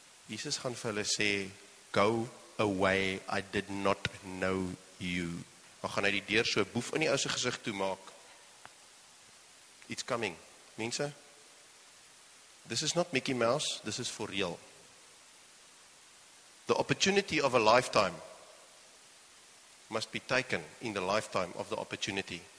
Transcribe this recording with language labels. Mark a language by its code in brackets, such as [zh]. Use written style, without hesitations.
[af] Jesus gaan vir hulle sê, [en] go away, I did not know you. [af] Maar gaan hy die deur so boef in die ou se gesig toemaak. [en] It's coming. Mense, this is not Mickey Mouse, this is for real. The opportunity of a lifetime must be taken in the lifetime of the opportunity.